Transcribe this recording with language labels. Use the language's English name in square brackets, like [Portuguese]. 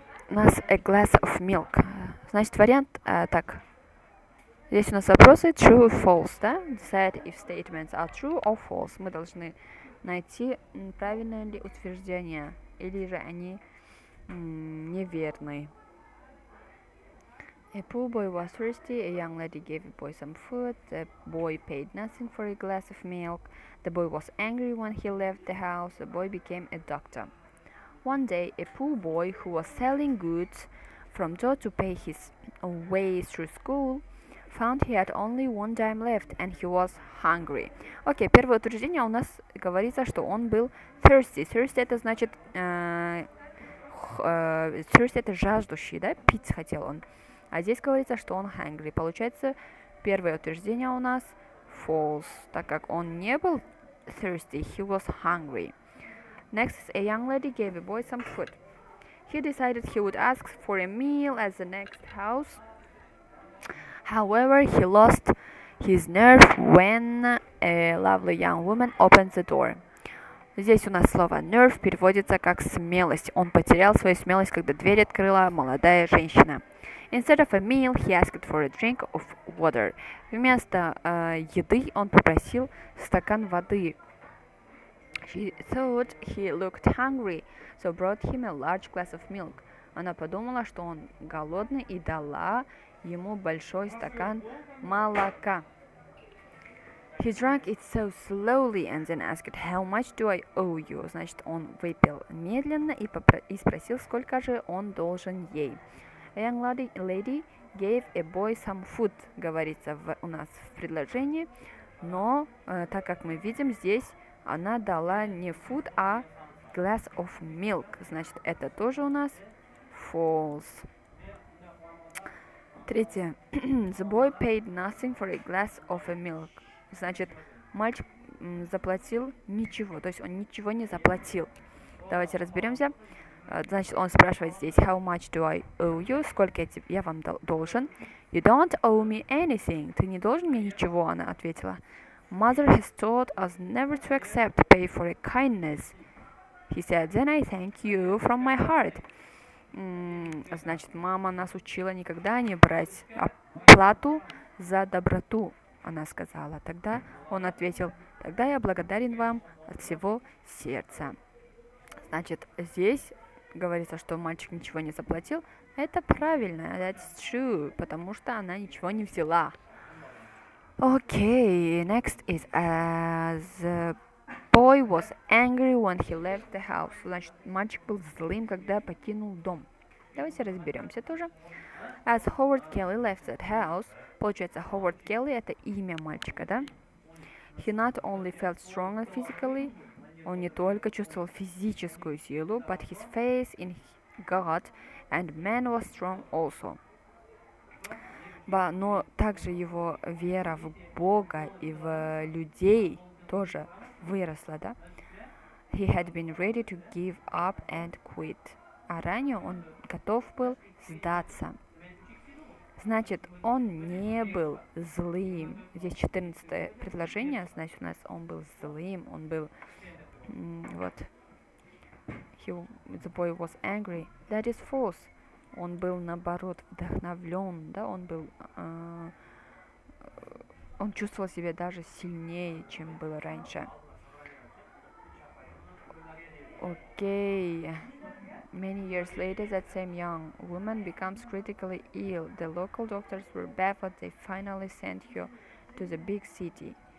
[Russian] У нас [English] a glass of milk. [Russian] Значит, вариант, так. Здесь у нас вопросы [English] true or false, [Russian] да? [English] Decide if statements are true or false. [Russian] Мы должны найти, правильное ли утверждение, или же они неверные. [English] A poor boy was thirsty. A young lady gave a boy some food. The boy paid nothing for a glass of milk. The boy was angry when he left the house. The boy became a doctor. One day, a poor boy who was selling goods from door to pay his way through school found he had only one dime left, and he was hungry. [Russian] Окей, первое утверждение у нас говорится, что он был thirsty. Thirsty – это значит thirsty – это жаждущий, да? Пить хотел он. А здесь говорится, что он hungry. Получается, первое утверждение у нас false, так как он не был thirsty, [English] he was hungry. Next, a young lady gave a boy some food. He decided he would ask for a meal at the next house. However, he lost his nerve when a lovely young woman opened the door. [Russian] Здесь у нас слово nerve переводится как смелость. Он потерял свою смелость, когда дверь открыла молодая женщина. [English] Instead of a meal, he asked for a drink of water. [Russian] Вместо еды он попросил стакан воды. [English] She thought he looked hungry, so brought him a large glass of milk. [Russian] Она подумала, что он голодный, и дала ему большой стакан молока. [English] He drank it so slowly and then asked, how much do I owe you? [Russian] Значит, он выпил медленно и спросил, сколько же он должен ей. [English] A young lady gave a boy some food, [Russian] говорится у нас в предложении, но так как мы видим, здесь она дала не food, а [English] glass of milk. [Russian] Значит, это тоже у нас false. Третье. [English] The boy paid nothing for a glass of a milk. [Russian] Значит, мальчик заплатил ничего, то есть он ничего не заплатил. Давайте разберемся. Значит, он спрашивает здесь, [English] how much do I owe you? [Russian] Сколько я вам должен? [English] You don't owe me anything. [Russian] Ты не должен мне ничего, она ответила. [English] Mother has taught us never to accept pay for a kindness. He said, then I thank you from my heart. [Russian] Значит, мама нас учила никогда не брать оплату за доброту, она сказала. Тогда он ответил, тогда я благодарен вам от всего сердца. Значит, здесь говорится, что мальчик ничего не заплатил. Это правильно, [English] that's true, [Russian] потому что она ничего не взяла. Окей, [English] okay, next is the Boy was angry when he left the house. [Russian] Значит, мальчик был злым, когда покинул дом. Давайте разберемся тоже. [English] As Howard Kelly left that house, [Russian] получается, Howard Kelly – это имя мальчика, да? [English] He not only felt stronger physically, [Russian] он не только чувствовал физическую силу, [English] but his faith in God and man was strong also. [Russian] Но также его вера в Бога и в людей тоже выросла, да? [English] He had been ready to give up and quit. [Russian] А ранее он готов был сдаться. Значит, он не был злым. Здесь 14-е предложение, значит, у нас он был злым. Он был, вот, [English] the boy was angry. That is false. [Russian] Он был, наоборот, вдохновлен, да, он был, он чувствовал себя даже сильнее, чем было раньше. Окей. [English] Many years later, that same young woman becomes critically ill. The local doctors were baffled. They finally sent her to the big city.